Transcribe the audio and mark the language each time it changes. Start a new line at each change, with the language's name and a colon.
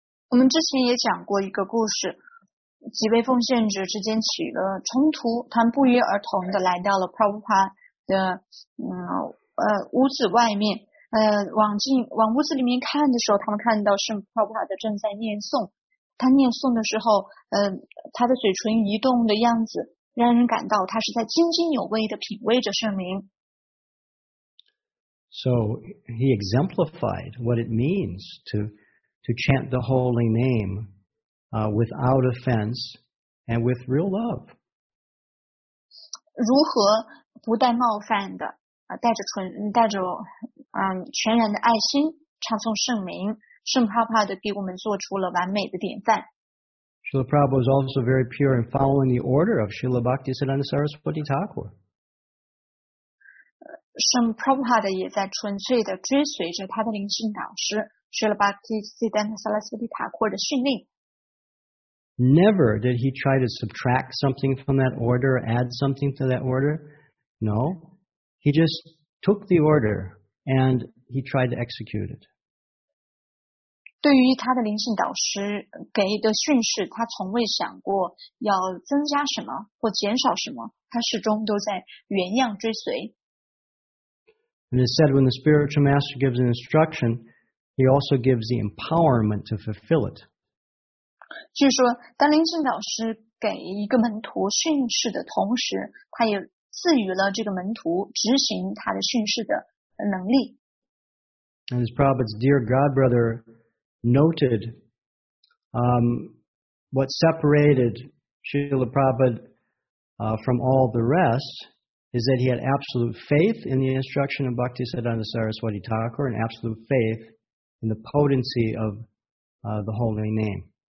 Chinese: 我们之前也讲过一个故事，几位奉献者之间起了冲突，他们不约而同的来到了 Prabhupada 的屋子外面。往屋子里面看的时候，他们看到圣 Prabhupada 正在念诵。他念诵的时候，他的嘴唇移动的样子，让人感到他是在津津有味的品味着圣名。
English: So he exemplified what it means to chant the holy name, without offense and with real love.
Chinese: 如何不带冒犯的全然的爱心唱诵圣名，圣帕帕的给我们做出了完美的典范。
English: Srila Prabhupada was also very pure in following the order of Srila Bhakti Siddhanta Saraswati Thakur.
Chinese: Srila Prabhupada 也在纯粹的追随着他的灵性导师 Srila Bhakti Siddhanta Saraswati Thakur 的训令。
English: Never did he try to subtract something from that order, add something to that order. No, he just took the order and he tried to execute it.
Chinese: 对于他的灵性导师给的训示，他从未想过要增加什么或减少什么，他始终都在原样追随。
English: And it said when the spiritual master gives an instruction, he also gives the empowerment to fulfill it.
Chinese: 据说当灵性导师给一个门徒训示的同时，他也赐予了这个门徒执行他的训示的能力。
English: And his Prabhupada's dear godbrother,noted what separated Srila Prabhupada from all the rest is that he had absolute faith in the instruction of Bhaktisiddhanta Saraswati Thakur and absolute faith in the potency of the holy name.